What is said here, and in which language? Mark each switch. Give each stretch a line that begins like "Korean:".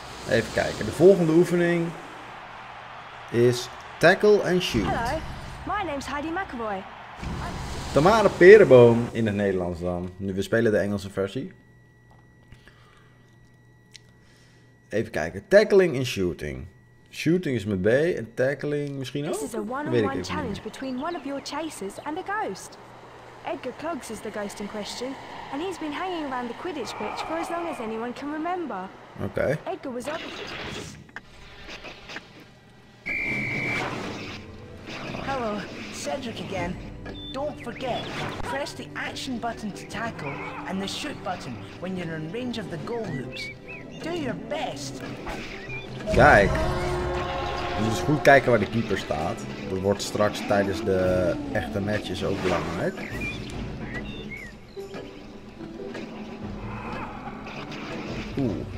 Dutch: Even kijken. De volgende oefening is Tackle and Shoot.
English: Hello, my name's Heidi McAvoy. Tamara Perenboom in het Nederlands dan.
Dutch: Nu we spelen de Engelse versie. Even kijken. Tackling and shooting. Shooting is met B en tackling misschien ook.
English: This is a one-on-one challenge between one of your chasers and a ghost. Edgar Cloggs is the ghost in question, and he's been hanging around the Quidditch pitch for as long as anyone can remember. Okay. Edgar was up. Hello, Cedric again. Don't forget, press the action button to tackle and the shoot button when you're in range of the goal hoops. Do your best.
Dutch: Kijk, je moet goed kijken waar de keeper staat. Dat wordt straks tijdens de echte matches ook belangrijk. Oeh.